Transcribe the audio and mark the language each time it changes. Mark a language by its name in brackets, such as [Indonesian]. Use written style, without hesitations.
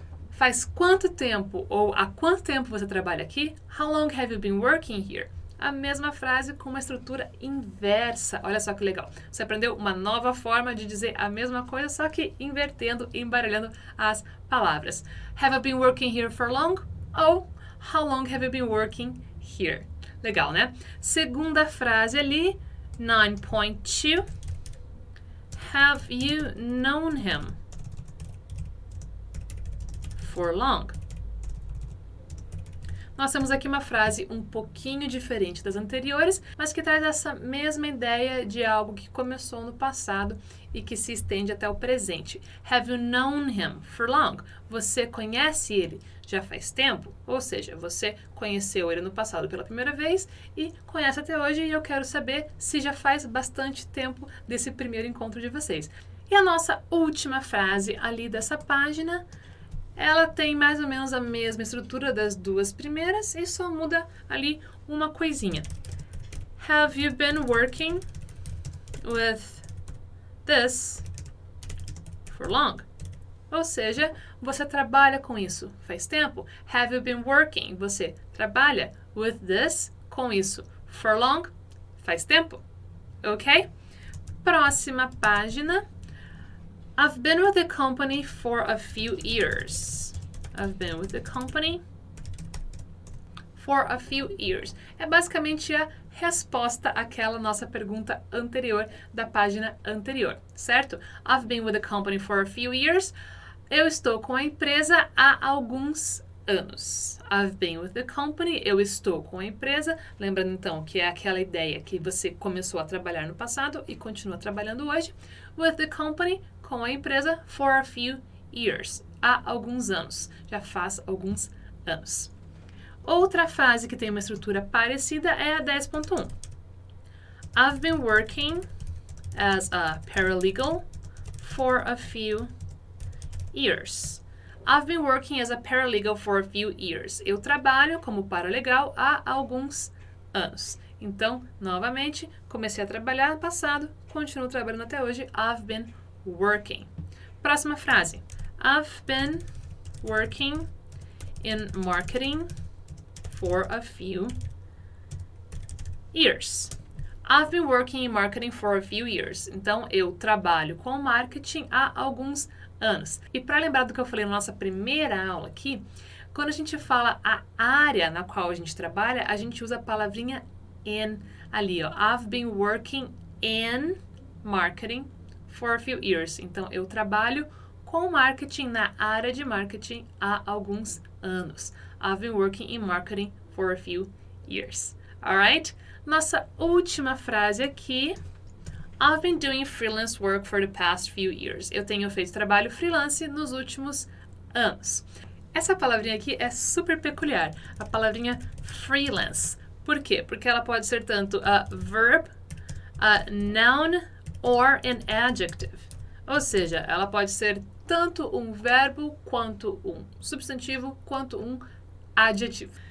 [Portuguese] Faz quanto tempo ou há quanto tempo você trabalha aqui? [English] How long have you been working here? [Portuguese] A mesma frase com uma estrutura inversa. Olha só que legal. Você aprendeu uma nova forma de dizer a mesma coisa, só que invertendo e embaralhando as palavras. [English] Have you been working here for long? Ou how long have you been working here? [Portuguese] Legal, né? Segunda frase ali, 9.2. [English] Have you known him for long? [Portuguese] Nós temos aqui uma frase um pouquinho diferente das anteriores, mas que traz essa mesma ideia de algo que começou no passado e que se estende até o presente. [English] Have you known him for long? [Portuguese] Você conhece ele já faz tempo? Ou seja, você conheceu ele no passado pela primeira vez e conhece até hoje, e eu quero saber se já faz bastante tempo desse primeiro encontro de vocês. E a nossa última frase ali dessa página, ela tem mais ou menos a mesma estrutura das duas primeiras e só muda ali uma coisinha. [English] Have you been working with this for long? [Portuguese] Ou seja, você trabalha com isso faz tempo? [English] Have you been working? [Portuguese] Você trabalha [English] with this [Portuguese] com isso. [English] For long, [Portuguese] faz tempo. Ok? Próxima página. [English] I've been with the company for a few years. I've been with the company for a few years. [Portuguese] É basicamente a resposta àquela nossa pergunta anterior, da página anterior, certo? [English] I've been with the company for a few years. [Portuguese] Eu estou com a empresa há alguns anos. [English] I've been with the company. [Portuguese] Eu estou com a empresa. Lembrando, então, que é aquela ideia que você começou a trabalhar no passado e continua trabalhando hoje. [English] With the company, [Portuguese] com a empresa, [English] for a few years. [Portuguese] Há alguns anos. Já faz alguns anos. Outra frase que tem uma estrutura parecida é a 10.1. [English] I've been working as a paralegal for a few years. I've been working as a paralegal for a few years. [Portuguese] Eu trabalho como paralegal há alguns anos. Então, novamente, comecei a trabalhar no passado, continuo trabalhando até hoje. [English] I've been working. [Portuguese] Próxima frase. [English] I've been working in marketing for a few years. I've been working in marketing for a few years. [Portuguese] Então, eu trabalho com marketing há alguns anos. E para lembrar do que eu falei na nossa primeira aula aqui, quando a gente fala a área na qual a gente trabalha, a gente usa a palavrinha in ali, ó. [English] I've been working in marketing for a few years. [Portuguese] Então, eu trabalho com marketing na área de marketing há alguns anos. [English] I've been working in marketing for a few years. All right? [Portuguese] Nossa última frase aqui. [English] I've been doing freelance work for the past few years. [Portuguese] Eu tenho feito trabalho freelance nos últimos anos. Essa palavrinha aqui é super peculiar. A palavrinha freelance. Por quê? Porque ela pode ser tanto [English] a verb, a noun, or an adjective. [Portuguese] Ou seja, ela pode ser tanto um verbo, quanto um substantivo, quanto um adjetivo.